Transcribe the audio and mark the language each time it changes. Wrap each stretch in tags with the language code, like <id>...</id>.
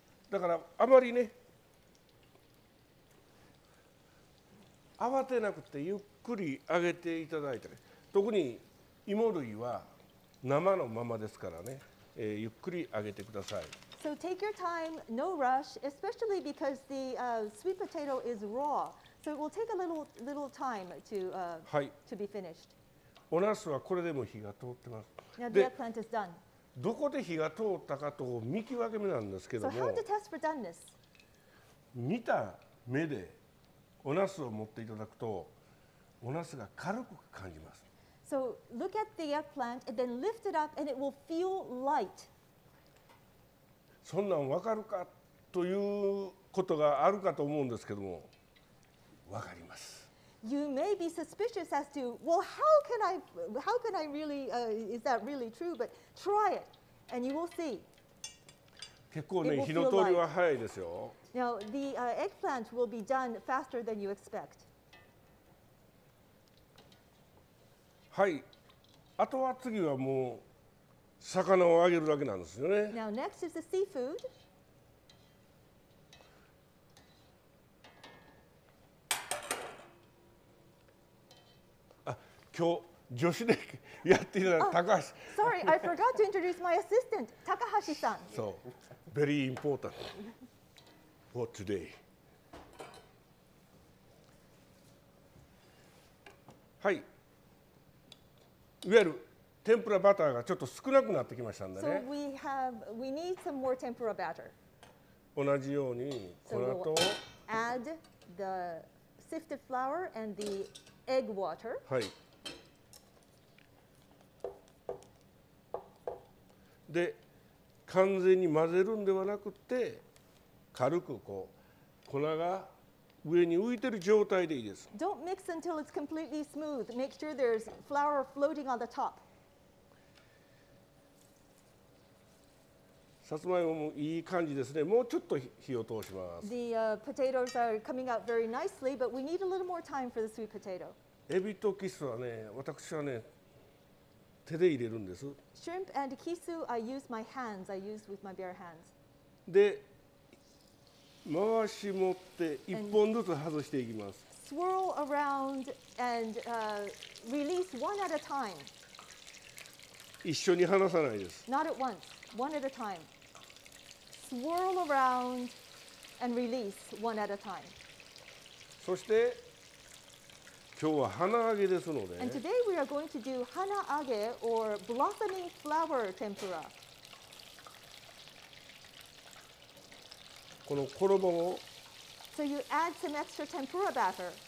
<ja>だからあまりね、慌てなくてゆっくり揚げていただいたり、特に芋類は生のままですからね、ゆっくり揚げてください。</ja> <en>So take your time, no rush, especially because the sweet potato is raw. So it will take a little time to be finished.</en> <ja>おナスはこれでも火が通ってます。</ja> <en>Now the eggplant is done.</en> <ja>どこで火が通ったかと見極め目なんですけども、</ja> <en>So how to test for doneness?</en> <ja>見た目でおナスを持っていただくと、おナスが軽く感じます。</ja> <en>So look at the eggplant and then lift it up and it will feel light.</en> <ja>そんなん分かるかということがあるかと思うんですけども、分かります。</ja> <en>You may be suspicious as to, well, how can I really, is that really true? But try it and you will see.</en> <ja>結構ね、火の通りは早いですよ。</ja> <en>Now, the eggplant will be done faster than you expect.</en> <ja>はい。あとは次はもう魚を揚げるだけなんですよね。</ja> <en>Now, next is the seafood.</en> <ja>あ、今日助手でやっていただいた高橋。</ja> <en>Sorry, I forgot to introduce my assistant, 高橋さん。 So, very important. For today.</en> <ja>はい。いわゆる天ぷらバターがちょっと少なくなってきましたんでね。</ja> <en>So we need some more tempura batter.</en> <ja>同じように粉と、</ja> <en>so we'll、add the sifted flour and the egg water.</en> <ja>はい。で、完全に混ぜるんではなくて。軽くこう粉が上に浮いてる状態でいいです。</ja> <en>Don't mix until it's completely smooth. Make sure there's flour floating on the top.</en> <ja>さつまいももいい感じですね。もうちょっと火を通します。</ja> <en>The potatoes are coming out very nicely, but we need a little more time for the sweet potato.</en> <ja>エビとキスはね、私はね、手で入れるんです。</ja> <en>Shrimp and kisu, I use my hands. I use with my bare hands.</en> <ja>で回し持って一本ずつ外していきます。</ja> <en>Swirl around and release one at a time.</en> <ja>一緒に離さないです。</ja> <en>Not at once, one at a time. Swirl around and release one at a time.</en> <ja>そして今日は花揚げですので。</ja> <en>And today we are going to do 花揚げ or blossoming flower tempura.</en> <ja>この衣を、</ja> <en>so you add some extra tempura batter,</en>